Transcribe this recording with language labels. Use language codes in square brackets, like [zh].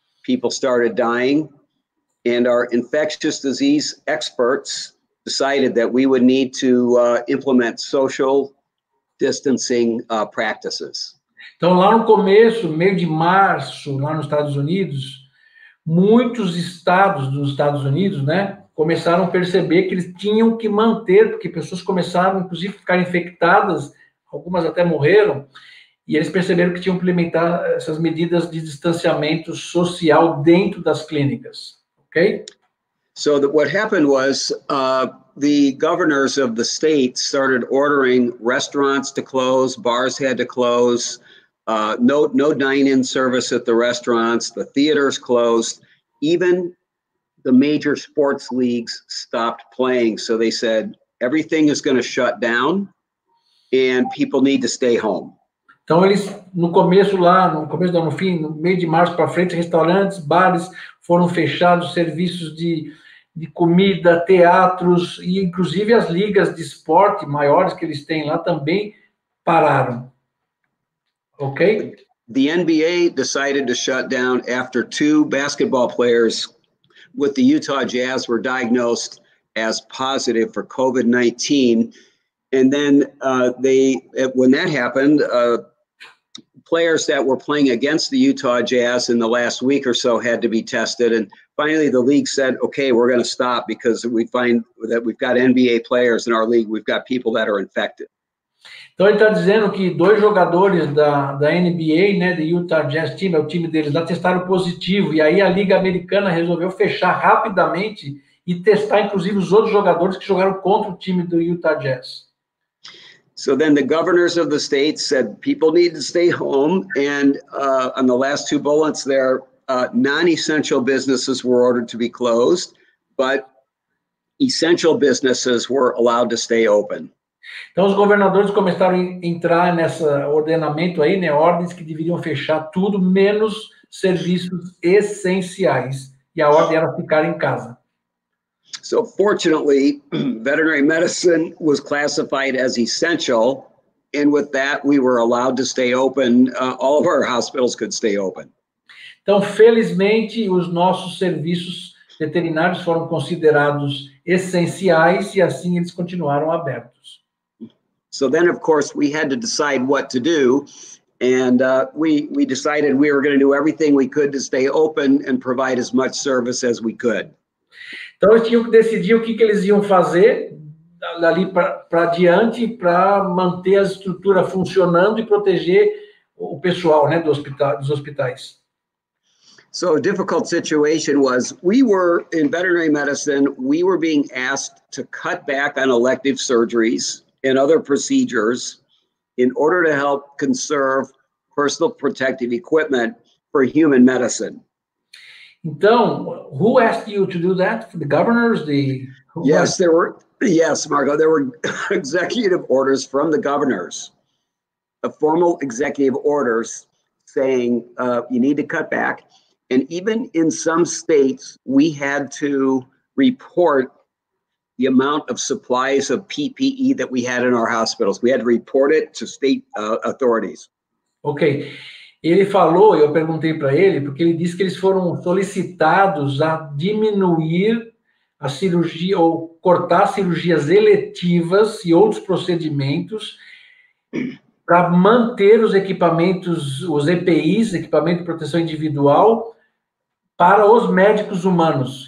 [en] People started dying. And our infectious disease experts decided that we would need to implement social distancing practices. [pt] Então, lá no começo, meio de março, lá nos Estados Unidos, muitos estados dos Estados Unidos, né, começaram a perceber que eles tinham que manter, porque pessoas começaram, inclusive, a ficar infectadas, algumas até morreram, e eles perceberam que tinham que implementar essas medidas de distanciamento social dentro das clínicas, ok? [en] So, what happened was, the governors of the states started ordering restaurants to close, bars had to close, no dine-in service at the restaurants, the theaters closed, even the major sports leagues stopped playing. So they said, everything is going to shut down and people need to stay home. [pt] Então eles, no começo lá, no começo do ano, no meio de março para frente, restaurantes, bares foram fechados, serviços de comida, teatros e inclusive as ligas de esporte maiores que eles têm lá também pararam. [en] Okay. The NBA decided to shut down after 2 basketball players with the Utah Jazz were diagnosed as positive for COVID-19. And then when that happened, players that were playing against the Utah Jazz in the last week or so had to be tested. And finally, the league said, okay, we're going to stop because we find that we've got NBA players in our league. We've got people that are infected. [pt] Então, ele está dizendo que 2 jogadores da NBA, né, do Utah Jazz Team, é o time deles, lá testaram positivo, e aí a Liga Americana resolveu fechar rapidamente e testar, inclusive, os outros jogadores que jogaram contra o time do Utah Jazz. [en] So then the governors of the states said people need to stay home, and on the last 2 bullets there, non-essential businesses were ordered to be closed, but essential businesses were allowed to stay open. [pt] Então, os governadores começaram a entrar nesse ordenamento aí, né, ordens que deveriam fechar tudo, menos serviços essenciais. E a ordem era ficar em casa. [en] So, fortunately, veterinary medicine was classified as essential, and with that, we were allowed to stay open. All of our hospitals could stay open. [pt] Então, felizmente, os nossos serviços veterinários foram considerados essenciais e assim eles continuaram abertos. [en] So then, of course, we had to decide what to do, and we decided we were going to do everything we could to stay open and provide as much service as we could. [pt] Então, eles tinham que decidir o que eles iam fazer dali para diante para manter a estrutura funcionando e proteger o pessoal, né, dos hospitais. [en] So a difficult situation was we were, in veterinary medicine, we were being asked to cut back on elective surgeries and other procedures in order to help conserve personal protective equipment for human medicine. Então, who asked you to do that? The governors? Yes, Margo, there were executive orders from the governors, a formal executive orders saying you need to cut back. And even in some states, we had to report the amount of supplies of PPE that we had in our hospitals. We had to report it to state authorities. Okay. [pt] Ele falou, eu perguntei para ele, porque ele disse que eles foram solicitados a diminuir a cirurgia ou cortar cirurgias eletivas e outros procedimentos para manter os equipamentos, os EPIs, equipamento de proteção individual, para os médicos humanos.